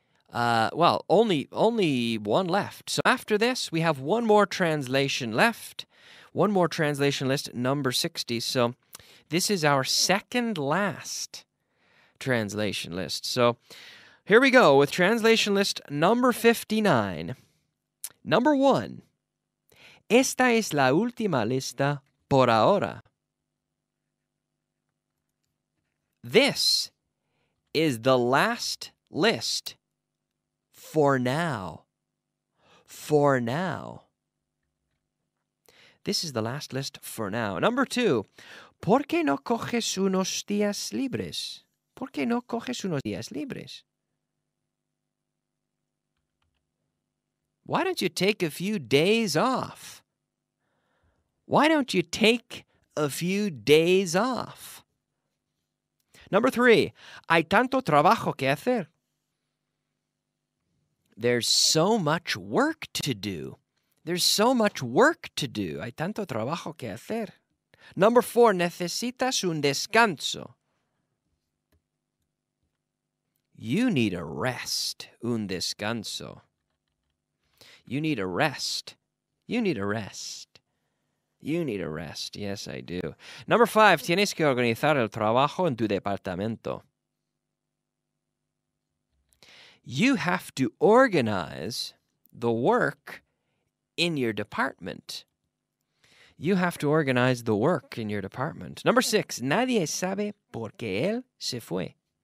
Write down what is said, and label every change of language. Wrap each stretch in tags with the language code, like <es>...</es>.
<en>Only one left. So after this, we have one more translation left. One more translation list, number 60. So this is our second last translation list. So here we go with translation list number 59. Number one,</en> <es>esta es la última lista por ahora.</es> <en>This is the last list for now. For now. This is the last list for now. Number two,</en> <es>¿por qué no coges unos días libres? ¿Por qué no coges unos días libres?</es> <en>Why don't you take a few days off? Why don't you take a few days off? Number three,</en> <es>hay tanto trabajo que hacer.</es> <en>There's so much work to do. There's so much work to do.</en> <es>Hay tanto trabajo que hacer.</es> <en>Number four,</en> <es>necesitas un descanso.</es> <en>You need a rest,</en> <es>un descanso.</es> <en>You need a rest. You need a rest. You need a rest. Yes, I do. Number five,</en> <es>tienes que organizar el trabajo en tu departamento.</es> <en>You have to organize the work in your department. You have to organize the work in your department. Number six,</en> <es>nadie sabe por qué él se fue.</es>